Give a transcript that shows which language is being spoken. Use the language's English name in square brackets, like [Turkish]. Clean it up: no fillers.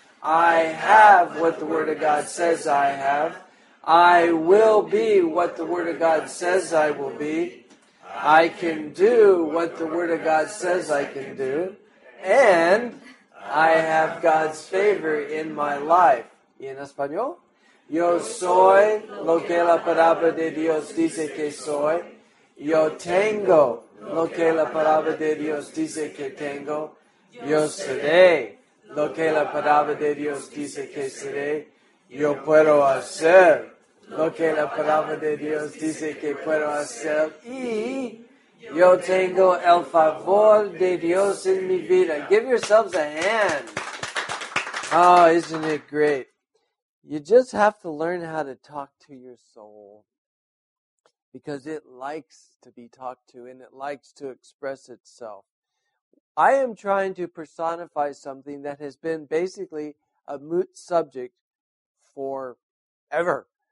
[English] I have what the Word of God says I have. I will be what the Word of God says I will be. I can do what the Word of God says I can do. And I have God's favor in my life. [Spanish] ¿Y en español? Yo soy lo que la palabra de Dios dice que soy. Yo tengo lo que la palabra de Dios dice que tengo. Yo seré lo que la palabra de Dios dice que seré. Yo puedo hacer lo que la palabra de Dios dice que puedo hacer. Y yo tengo el favor de Dios en mi vida. [English] Give yourselves a hand. Oh, isn't it great? You just have to learn how to talk to your soul. Because it likes to be talked to and it likes to express itself. I am trying to personify something that has been basically a moot subject forever.